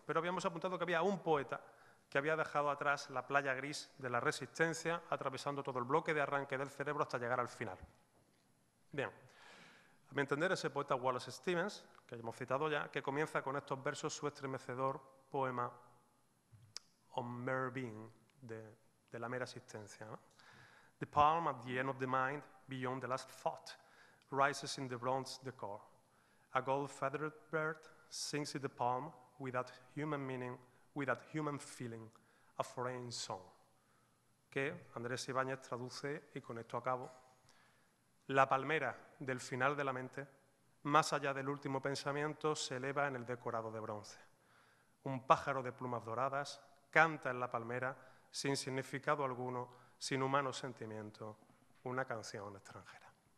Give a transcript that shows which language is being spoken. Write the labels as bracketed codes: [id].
[es] Pero habíamos apuntado que había un poeta que había dejado atrás la playa gris de la resistencia, atravesando todo el bloque de arranque del cerebro hasta llegar al final. Bien. A mi entender, ese poeta Wallace Stevens, que hemos citado ya, que comienza con estos versos su estremecedor poema On Mere Being, de la mera existencia, ¿no? [en] The palm at the end of the mind, beyond the last thought, rises in the bronze decor. A gold-feathered bird sings in the palm, without human meaning, without human feeling, a foreign song. [es] Que Andrés Ibáñez traduce, y con esto acabo, la palmera del final de la mente, más allá del último pensamiento, se eleva en el decorado de bronce. Un pájaro de plumas doradas canta en la palmera, sin significado alguno, sin humano sentimiento, una canción extranjera.